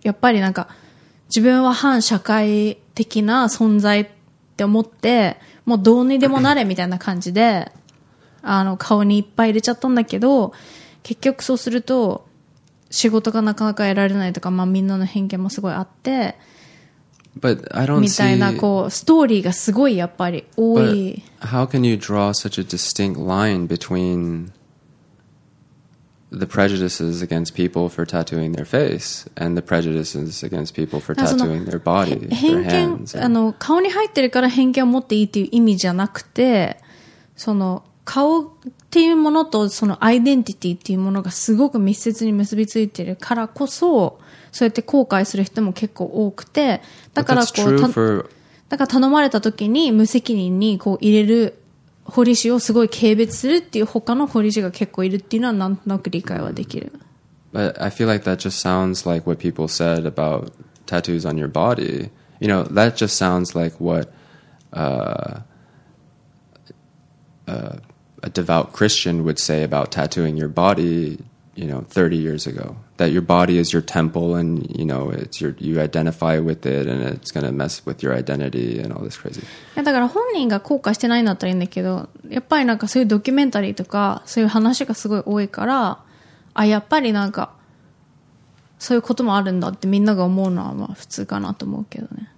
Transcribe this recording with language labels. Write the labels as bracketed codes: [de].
[ja] やっぱりなんか、自分は反社会的な存在って思って、もうどうにでもなれみたいな感じで、あの、顔にいっぱい入れちゃったんだけど、結局そうすると、仕事がなかなか得られないとか、まあみんなの偏見もすごいあって、 [en] But I don't [ja] みたいなこうストーリーがすごいやっぱり多い。 [en] How can you draw such a distinct line between the prejudices against people for tattooing their face and the prejudices against people for tattooing their body, their hands? [ja] 偏見、あの、顔に入ってるから偏見を持っていいっていう意味じゃなくて、その、顔っていうものとそのアイデンティティっていうものがすごく密接に結びついてるからこそ、そうやって後悔する人も結構多くて、だからこう、だから頼まれた時に無責任にこう入れる彫り師をすごい軽蔑するっていう他の彫り師が結構いるっていうのはなんとなく理解はできる。 [en] But I feel like that just sounds like what people said about tattoos on your body. You know, that just sounds like what a devout Christian would say about tattooing your body, you know, 30 years ago. That your body is your temple and, you know, it's your, you identify with it and it's going to mess with your identity and all this crazy. [ja] Yeah, だから本人が後悔してないんだったらいいんだけど、やっぱりなんかそういうドキュメンタリーとかそういう話がすごい多いから、あ、やっぱりなんかそういうこともあるんだってみんなが思うのはまあ普通かなと思うけどね。